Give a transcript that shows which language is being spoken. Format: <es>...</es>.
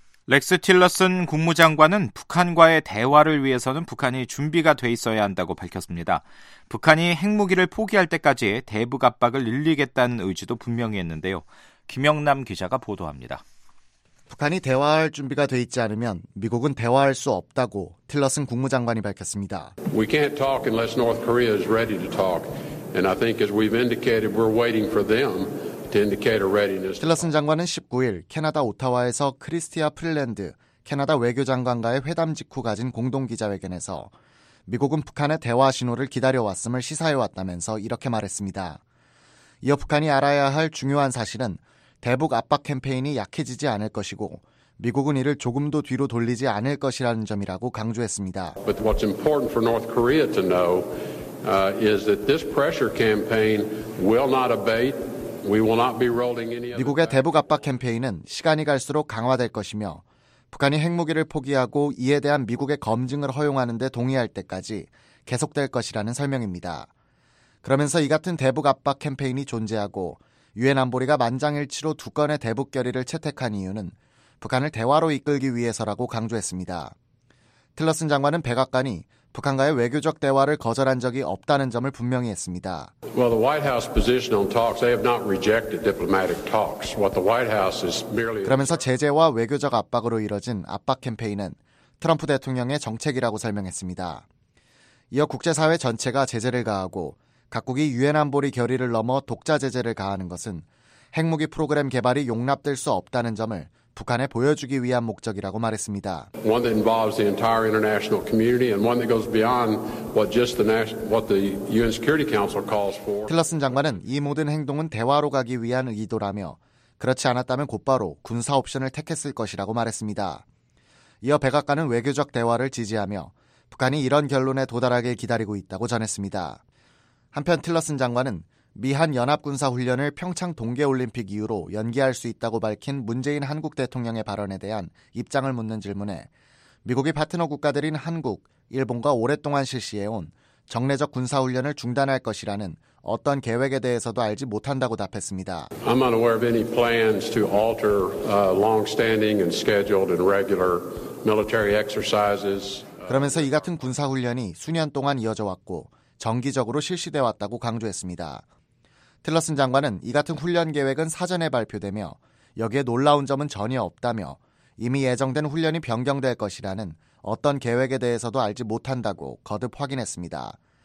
<ko>렉스 틸러슨 국무장관은 북한과의 대화를 위해서는 북한이 준비가 돼 있어야 한다고 밝혔습니다. 북한이 핵무기를 포기할 때까지 대북 압박을 늘리겠다는 의지도 분명히 했는데요. 김영남 기자가 보도합니다. 북한이 대화할 준비가 돼 있지 않으면 미국은 대화할 수 없다고 틸러슨 국무장관이 밝혔습니다.</ko> <en>We can't talk unless North Korea is ready to talk. And I think as we've indicated, we're waiting for them.</en> <ko>틸러슨 장관은 19일 캐나다 오타와에서 크리스티아 프릴랜드 캐나다 외교장관과의 회담 직후 가진 공동기자회견에서 미국은 북한의 대화 신호를 기다려왔음을 시사해왔다면서 이렇게 말했습니다. 이어 북한이 알아야 할 중요한 사실은 대북 압박 캠페인이 약해지지 않을 것이고 미국은 이를 조금도 뒤로 돌리지 않을 것이라는 점이라고 강조했습니다.</ko> <en>But what's important for North Korea to know is that this pressure campaign will not abate. We will not be rolling any.</en> <ko>미국의 대북 압박 캠페인은 시간이 갈수록 강화될 것이며 북한이 핵무기를 포기하고 이에 대한 미국의 검증을 허용하는 데 동의할 때까지 계속될 것이라는 설명입니다. 그러면서 이 같은 대북 압박 캠페인이 존재하고 유엔 안보리가 만장일치로 두 건의 대북 결의를 채택한 이유는 북한을 대화로 이끌기 위해서라고 강조했습니다. 틸러슨 장관은 백악관이 북한과의 외교적 대화를 거절한 적이 없다는 점을 분명히 했습니다.</ko> <en>Well, the White House position on talks, they have not rejected diplomatic talks. What the White House is merely</en> <ko>그러면서 제재와 외교적 압박으로 이뤄진 압박 캠페인은 트럼프 대통령의 정책이라고 설명했습니다. 이어 국제사회 전체가 제재를 가하고 각국이 유엔 안보리 결의를 넘어 독자 제재를 가하는 것은 핵무기 프로그램 개발이 용납될 수 없다는 점을 북한에 보여주기 위한 목적이라고 말했습니다.</ko> <en>One that involves the entire international community and one that goes beyond what just the what the UN Security Council calls for.</en> <ko>틸러슨 장관은 이 모든 행동은 대화로 가기 위한 의도라며 그렇지 않았다면 곧바로 군사 옵션을 택했을 것이라고 말했습니다. 이어 백악관은 외교적 대화를 지지하며 북한이 이런 결론에 도달하길 기다리고 있다고 전했습니다. 한편 틸러슨 장관은 미한 연합군사훈련을 평창 동계올림픽 이후로 연기할 수 있다고 밝힌 문재인 한국 대통령의 발언에 대한 입장을 묻는 질문에 미국이 파트너 국가들인 한국, 일본과 오랫동안 실시해온 정례적 군사훈련을 중단할 것이라는 어떤 계획에 대해서도 알지 못한다고 답했습니다.</ko> <en>I'm unaware of any plans to alter long-standing and scheduled and regular military exercises.</en> <ko>그러면서 이 같은 군사훈련이 수년 동안 이어져 왔고 정기적으로 실시돼 왔다고 강조했습니다. 틸러슨 장관은 이 같은 훈련 계획은 사전에 발표되며 여기에 놀라운 점은 전혀 없다며 이미 예정된 훈련이 변경될 것이라는 어떤 계획에 대해서도 알지 못한다고 거듭 확인했습니다.</ko>